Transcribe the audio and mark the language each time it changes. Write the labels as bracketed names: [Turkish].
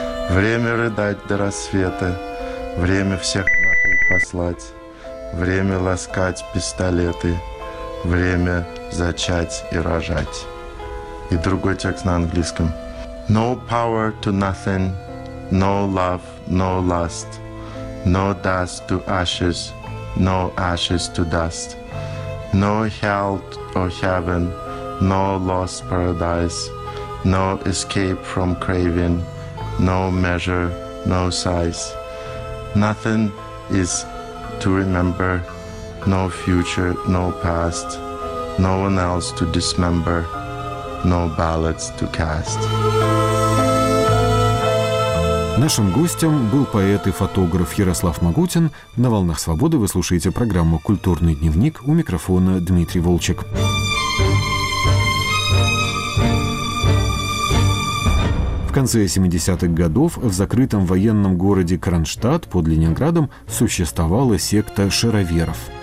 [Russian] Время рыдать до рассвета, время всех нахуй послать. Время ласкать пистолеты, время зачать и рожать. И другой текст на английском. [English] No power to nothing, no love, no lust. No dust to ashes, no ashes to dust. No hell or heaven, no lost paradise, no escape from craving, no measure, no size. Nothing is to remember, no future, no past, no one else to dismember, no ballots to cast. [Russian] Нашим гостем был поэт и фотограф Ярослав Магутин. На «Волнах свободы» вы слушаете программу «Культурный дневник». У микрофона Дмитрий Волчек. В конце 70-х годов в закрытом военном городе Кронштадт под Ленинградом существовала секта шароверов.